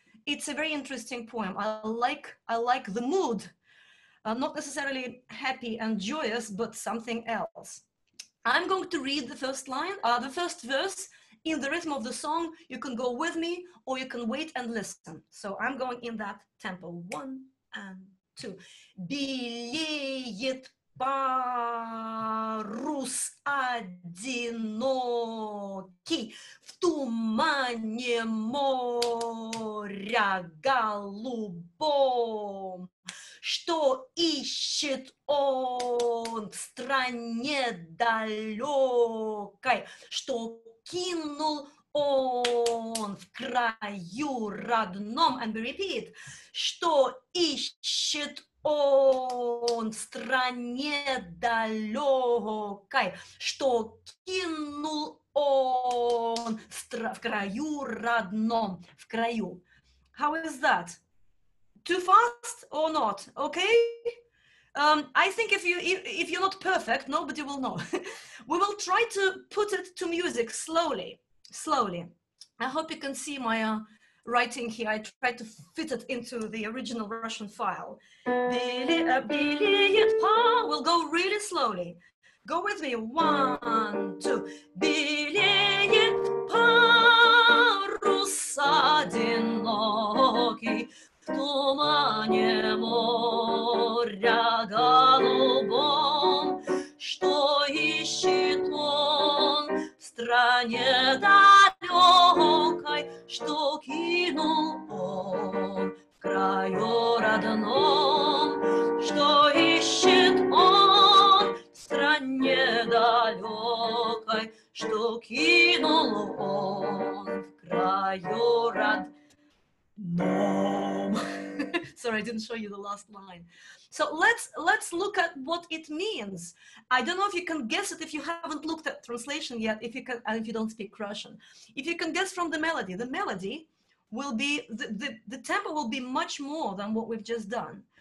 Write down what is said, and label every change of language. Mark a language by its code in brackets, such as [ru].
[en] It's a very interesting poem. I like the mood, not necessarily happy and joyous, but something else. I'm going to read the first line, the first verse in the rhythm of the song. You can go with me or you can wait and listen. So I'm going in that tempo. One and two. [ru] Белеет парус одинокий в тумане моря голубом. Что ищет он в стране далекой, что кинул он в краю родном. [en] And we repeat. [ru] Что ищет он в стране далекой, что кинул он в краю родном, в краю. [en] How is that? Too fast or not? Okay. I think if you're not perfect, nobody will know. We will try to put it to music slowly, slowly. I hope you can see my writing here. I tried to fit it into the original Russian file. We'll go really slowly. Go with me. One, two. [ru] Белеет парус одинокий в тумане моря голубом, что ищет он в стране далекой, что кинул он в краю родном, что ищет он в стране далекой, что кинул он в краю родном. [en] Sorry, I didn't show you the last line. So let's look at what it means. I don't know if you can guess it if you haven't looked at translation yet, if you can, and if you don't speak Russian. If you can guess from the melody will be, the tempo will be much more than what we've just done.